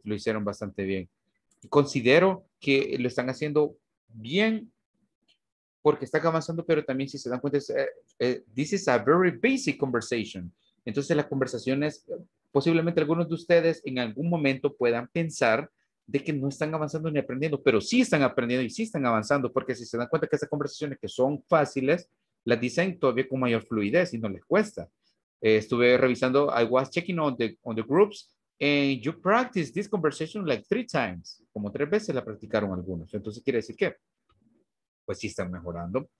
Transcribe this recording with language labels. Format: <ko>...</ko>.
<es>Lo hicieron bastante bien. Considero que lo están haciendo bien porque están avanzando, pero también si se dan cuenta,</es> <en>this is a very basic conversation.</en> <es>Entonces las conversaciones, posiblemente algunos de ustedes en algún momento puedan pensar de que no están avanzando ni aprendiendo, pero sí están aprendiendo y sí están avanzando, porque si se dan cuenta que esas conversaciones que son fáciles, las dicen todavía con mayor fluidez y no les cuesta. Estuve revisando,</es> <en>I was checking on the groups, and you practice this conversation like 3 times.</en> <es>Como 3 veces la practicaron algunos. Entonces quiere decir que, pues sí están mejorando.</es>